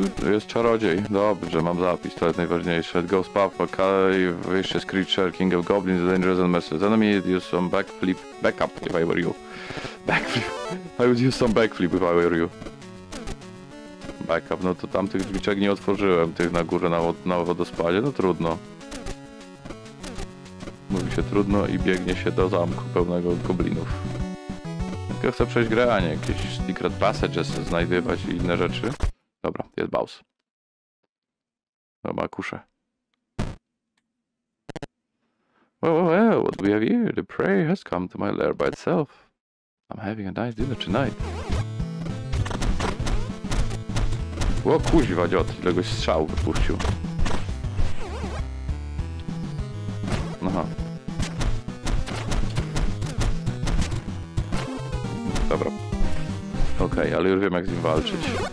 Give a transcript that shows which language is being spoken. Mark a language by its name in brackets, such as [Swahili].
[Polish] Jest czarodziej. Dobrze, mam zapis, to jest najważniejsze. [English] Ghost Puff, OK, Vicious Creature, King of Goblins, Dangerous and Messes. Enemy, use some backflip. Backup, if I were you. Backflip. I would use some backflip, if I were you. Backup, [Polish] no to tamtych drzwiczek nie otworzyłem. Tych na górze, na wodospadzie, no trudno. Mówi się trudno i biegnie się do zamku pełnego goblinów. Tylko chcę przejść grę, a nie jakieś [English] secret passages [Polish] znajdywać i inne rzeczy. Dobra, jest Baus. Dobra, kuszę. [English] Well, well, well, what do we have here? The prey has come to my lair by itself. I'm having a nice dinner tonight. [Polish] O kuźwa dziot, jakiegoś strzału wypuścił. Aha. Dobra. Okej, ale już wiem jak z nim walczyć.